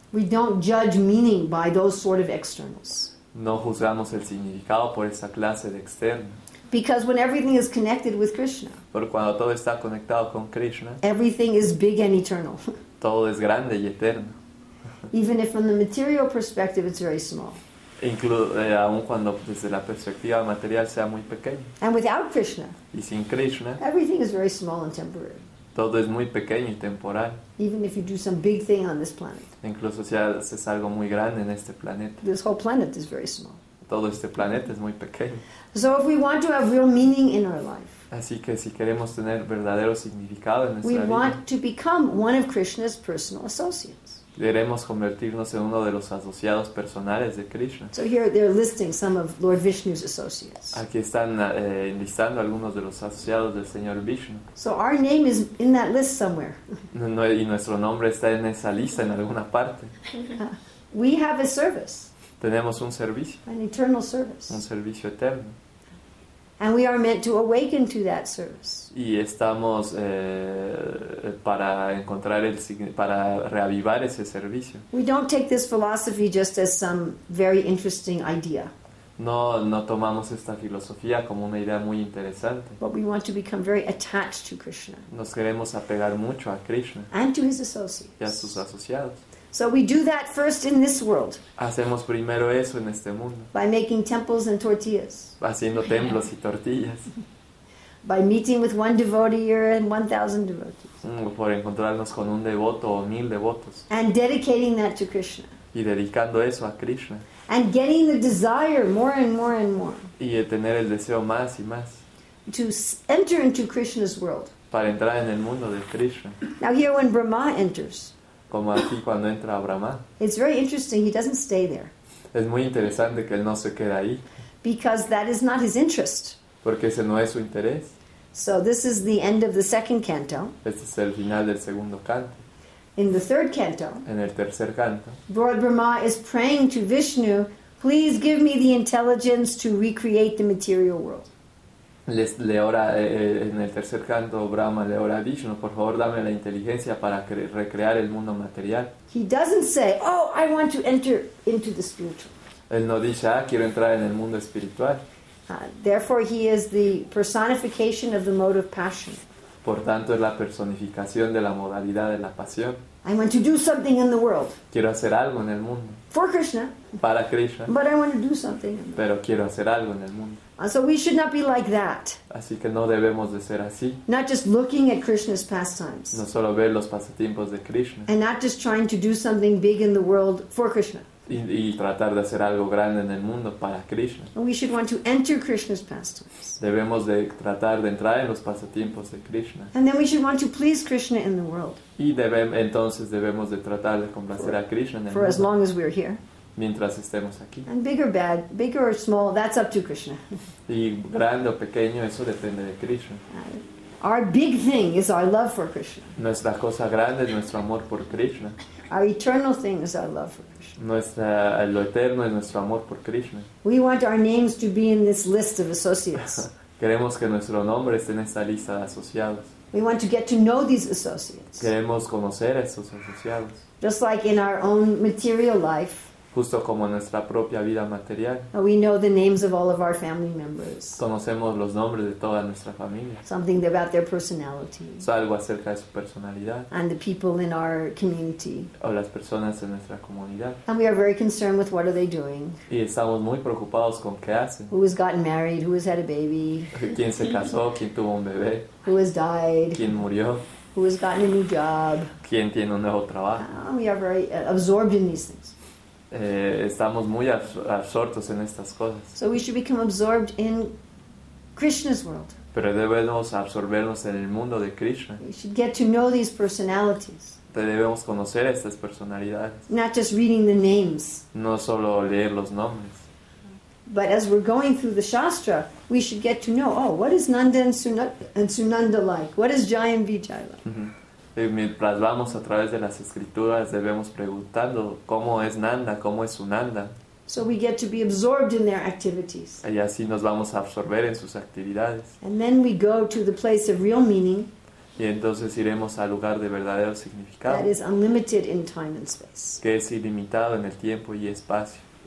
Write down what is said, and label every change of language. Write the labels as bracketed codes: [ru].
[en] We don't judge meaning by those sort of externals. [es] No juzgamos el significado por esa clase de externo. [en] Because when everything is connected with Krishna. [es] Porque cuando todo está conectado con Krishna. [en] Everything is big and eternal. [es] Todo es grande y eterno. [en] Even if from the material perspective it's very small. [es] Aun cuando desde la perspectiva material sea muy pequeño. [en] And without Krishna. [es] Y sin Krishna. [en] Everything is very small and temporary. [es] Todo es muy pequeño y temporal. [en] Even if you do some big thing on this planet. [es] Incluso si haces algo muy grande en este planeta. [en] This whole planet is very small. [es] Todo este planeta es muy pequeño. [en] So if we want to have real meaning in our life. [es] Así que si queremos tener verdadero significado en nuestra [en] we [es] vida. [en] We want to become one of Krishna's personal associates. [es] Queremos convertirnos en uno de los asociados personales de Krishna. [en] So here they're listing some of Lord Vishnu's associates. [es] Aquí están listando algunos de los asociados del Señor Vishnu. [en] So our name is in that list somewhere. [es] No, y nuestro nombre está en esa lista en alguna parte. [en] We have a service. [es] Tenemos un servicio. [en] An eternal service. [es] Un servicio eterno. [en] And we are meant to awaken to that service. [es] Y estamos para encontrar el para reavivar ese servicio. [en] We don't take this philosophy just as some very interesting idea. [es] No tomamos esta filosofía como una idea muy interesante. [en] But we want to become very attached to Krishna. [es] Nos queremos apegar mucho a Krishna. [en] And to his associates. [es] Y a sus asociados. [en] So we do that first in this world. [es] Hacemos primero eso en este mundo. [en] By making temples and tortillas. [es] Haciendo templos y tortillas. [en] By meeting with one devotee or 1,000 devotees. [es] Por encontrarnos con un devoto o 1,000 devotos. [en] And dedicating that to Krishna. [es] Y dedicando eso a Krishna. [en] And getting the desire more and more and more. [es] Y tener el deseo más y más. [en] To enter into Krishna's world. [es] Para entrar en el mundo de Krishna. [en] Now here when Brahma enters. [es] Como aquí cuando entra Brahma. [en] It's very interesting, he doesn't stay there. [es] Es muy interesante que él no se quede ahí. [en] Because that is not his interest. [es] Porque ese no es su interés. [en] So this is the end of the second canto. [es] Este es el final del segundo canto. [en] In the third canto. [es] En el tercer canto. [en] Lord Brahma is praying to Vishnu, Please give me the intelligence to recreate the material world. [es] Le ora en el tercer canto Brahma le ora a Vishnu, por favor dame la inteligencia para recrear el mundo material. [en] He doesn't say, oh, I want to enter into the spiritual. [es] Él no dice, ah, quiero entrar en el mundo espiritual. [en] Therefore, he is the personification of the mode of passion. [es] Por tanto, es la personificación de la modalidad de la pasión. [en] I want to do something in the world. [es] Quiero hacer algo en el mundo. [en] For Krishna. [es] Para Krishna. [en] But I want to do something. [es] Pero quiero hacer algo en el mundo. [en] So we should not be like that. [es] Así que no debemos de ser así. [en] Not just looking at Krishna's pastimes. [es] No solo ver los pasatiempos de Krishna. [en] And not just trying to do something big in the world for Krishna. [es] Y tratar de hacer algo grande en el mundo para Krishna. [en] We should want to enter Krishna's pastimes. [es] Debemos de tratar de entrar en los pasatiempos de Krishna. [en] And then we should want to please Krishna in the world. [es] Y entonces debemos de tratar de complacer a Krishna en el mundo. [en] For as long as we're here. [es] Mientras estemos aquí. [en] And big or bad, big or small, that's up to Krishna. [es] Y grande o pequeño, eso depende de Krishna. [en] Our big thing is our love for Krishna. [es] Nuestra cosa grande es nuestro amor por Krishna. [en] Our eternal thing is our love for Krishna. [es] Lo eterno es nuestro amor por Krishna. [en] We want our names to be in this list of associates. [es] Queremos que nuestro nombre esté en esta lista de asociados. [en] We want to get to know these associates. [es] Queremos conocer a estos asociados. [en] Just like in our own material life. [es] Justo como nuestra propia vida material. [en] We know the names of all of our family members. [es] Conocemos los nombres de toda nuestra familia. [en] Something about their personality. [es] Es algo acerca de su personalidad. [en] And the people in our community. [es] O las personas en nuestra comunidad. [en] And we are very concerned with what are they doing. [es] Y estamos muy preocupados con qué hacen. [en] Who has gotten married? Who has had a baby? [es] ¿Quién se casó? ¿Quién tuvo un bebé? [en] Who has died? [es] ¿Quién murió? [en] Who has gotten a new job? [es] ¿Quién tiene un nuevo trabajo? [en] We are very absorbed in these things. [es] Estamos muy absortos en estas cosas. [en] So we should become absorbed in Krishna's world. [es] Pero debemos absorbernos en el mundo de Krishna. [en] We should get to know these personalities. [es] Debemos conocer estas personalidades. [en] Not just reading the names. [es] No solo leer los nombres. [en] But as we're going through the Shastra, we should get to know, oh, what is Nanda and Sunanda like? What is Jaya and Vijaya like? [es] Mientras vamos a través de las escrituras debemos preguntando cómo es Nanda, cómo es Sunanda. [en] So we get to be absorbed in their activities. [es] Y así nos vamos a absorber en sus actividades. [en] And then we go to the place of real meaning. [es] Y entonces iremos al lugar de verdadero significado. [en] That is unlimited in time and space. [es] Que es ilimitado en el tiempo y espacio.